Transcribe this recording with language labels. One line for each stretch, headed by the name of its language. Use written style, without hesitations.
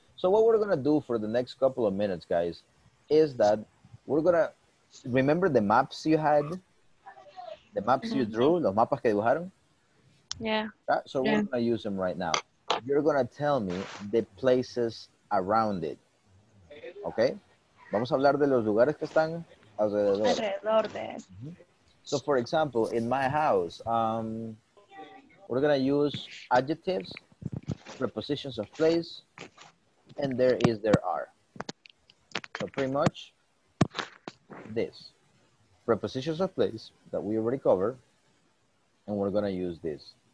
English: So what we're going to do for the next couple of minutes, guys, is that we're gonna remember the maps you had, the maps you drew, los mapas que dibujaron? Yeah. So we're gonna use them right now. You're gonna tell me the places around it, okay?
Spanish: Vamos a hablar de los lugares que están alrededor. Alrededor de.
English: So for example, in my house, we're gonna use adjectives, prepositions of place, and there is, there are. So pretty much this. prepositions of place that we already covered, and we're going to use this.